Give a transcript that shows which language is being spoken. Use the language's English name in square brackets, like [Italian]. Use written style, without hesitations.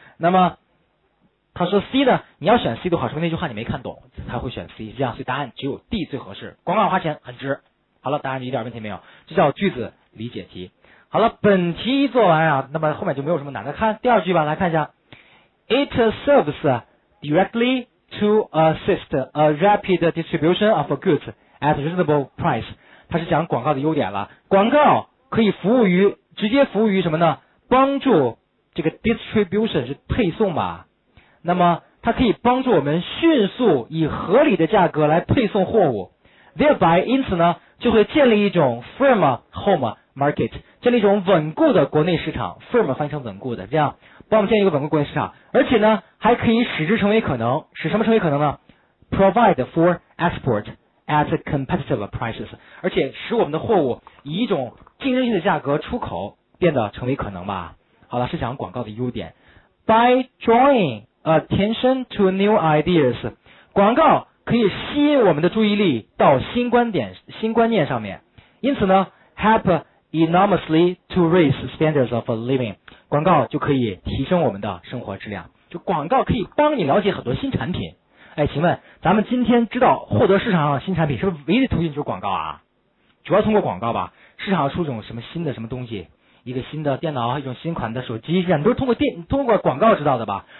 [Chinese] 那么他说 C 呢，你要选 C 的话，说那句话你没看懂才会选 C， 是这样，所以答案只有 D 最合适，广告花钱很值。好了，答案一点问题没有，这叫句子理解题。好了，本题做完啊，那么后面就没有什么难的，看第二句吧，来看一下。 [English] It serves directly to assist a rapid distribution of goods at reasonable price， [Chinese] 它是讲广告的优点了。广告可以服务于，直接服务于什么呢？帮助这个 distribution 是配送吧，那么它可以帮助我们迅速以合理的价格来配送货物， [English] thereby [Chinese] 因此呢就会建立一种 [English] firm home market， [Chinese] 建立一种稳固的国内市场， firm 翻译成稳固的，这样帮我们建立一个稳固国内市场，而且呢还可以使之成为可能，使什么成为可能呢？ [English] provide for export at competitive prices， [Chinese] 而且使我们的货物以一种竞争性的价格出口变得成为可能吧。好了，是讲广告的优点。 [English] By drawing attention to new ideas. [Chinese] 广告可以吸引我们的注意力到新观点、新观念上面。因此呢 [English] ，help enormously to raise standards of living. [Chinese] 广告就可以提升我们的生活质量。就广告可以帮你了解很多新产品。哎，请问咱们今天知道获得市场上的新产品，是不是唯一途径就是广告啊？主要通过广告吧。市场上出种什么新的什么东西，一个新的电脑，一种新款的手机，这样都是通过广告知道的吧？